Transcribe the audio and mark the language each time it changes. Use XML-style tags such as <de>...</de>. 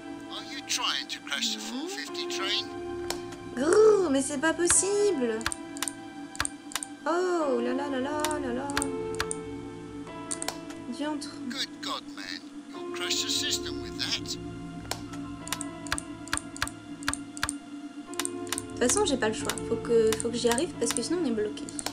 <en>Are you trying to crash the 450 train?</en> <fr>Grrr, mais c'est pas possible. Oh là là là là là là.</fr> <en>Diantre. Good God, man. You'll crash the system with that.</en> <fr>toute façon, j'ai pas le choix. Faut que j'y arrive parce que sinon on est bloqué.</fr>